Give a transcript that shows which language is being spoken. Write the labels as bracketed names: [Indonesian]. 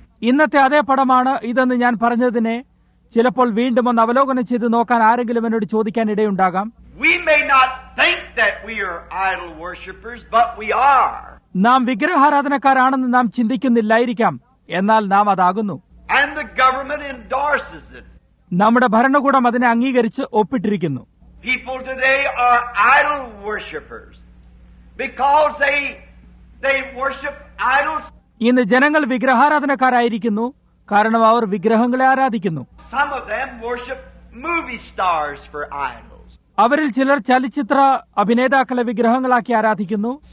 [Malayalam] ഇന്നത്തെ അതേ പടമാണ് ഇതെന്ന് ഞാൻ പറഞ്ഞതിനെ ചിലപ്പോൾ വീണ്ടും ഒന്ന് അവലോകനം ചെയ്ത് നോക്കാൻ ആരെങ്കിലും എന്നോട് ചോദിക്കാൻ ഇടയുണ്ടാകാം. [English] We may not think that we are idol worshippers, but we are. [Malayalam] നാം വിഗ്രഹാരാധനക്കാരാണെന്ന് നാം ചിന്തിക്കുന്നില്ലായിരിക്കാം, എന്നാൽ നാം അതാകുന്നു. [English] And the government endorses it. [Malayalam] നമ്മുടെ ഭരണകൂടം അതിനെ അംഗീകരിച്ച് ഒപ്പിട്ടിരിക്കുന്നു. [English] People today are idol worshippers because they worship idols. [Malayalam] ഇന്ന് ജനങ്ങൾ വിഗ്രഹാരാധനക്കാരായിരിക്കുന്നു കാരണം അവർ വിഗ്രഹങ്ങളെ ആരാധിക്കുന്നു. [English] Some of them worship movie stars for idols. [Malayalam] അവരിൽ ചിലർ ചലച്ചിത്ര അഭിനേതാക്കളെ വിഗ്രഹങ്ങളാക്കി ആരാധിക്കുന്നു.